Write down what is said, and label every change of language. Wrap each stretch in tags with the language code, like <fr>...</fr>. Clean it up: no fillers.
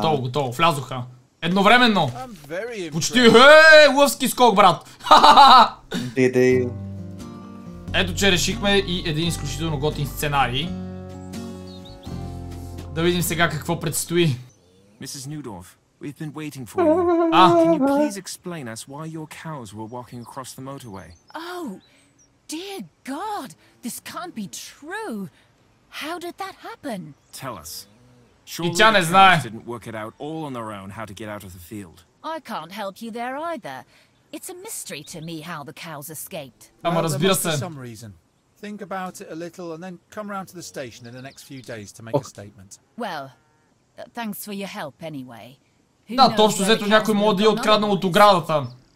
<bg>Готово, готово. Влязоха. Едновременно. Почти. Ей, лъвски скок, брат. Ето, че решихме и един изключително готин сценарий. Да видим сега какво предстои.</bg> <en>Мисис Нюдорф, we've been waiting for you. Can you please explain us why your cows were walking across the motorway? Oh, dear God, this can't be true. How did that happen? Tell us. Surely the cows didn't work it out all on their own how to get out of the field. I can't help you there either. It's a mystery to me how the cows escaped. Well, there must be some reason. Think about it a little and then come round to the station in the next few days to make a statement. Well, thanks for your help anyway.</en> <bg>Да, точно взето някой може да я откраднал от оградата.</bg>